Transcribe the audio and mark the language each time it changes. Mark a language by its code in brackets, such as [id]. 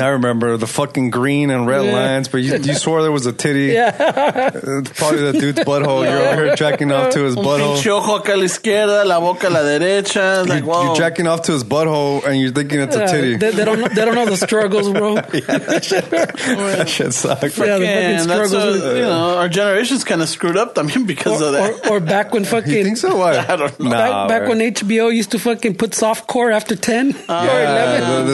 [en] I remember the fucking green and red lines, but you swore there was a titty. Yeah. Probably the dude's butthole. Yeah. You're over here jacking off to his butthole. [es] Pinche ojo acá a la izquierda, la boca a la derecha. [en] Like, you're jacking off to his butthole and you're thinking it's a titty. They don't know the struggles, bro. Yeah, that shit sucks. Yeah, the fucking struggles. Our generation's kind of screwed up, I mean, because of that. Or back when fucking... You think so? I don't know. Back when HBO used to fucking put softcore after 10 or 11.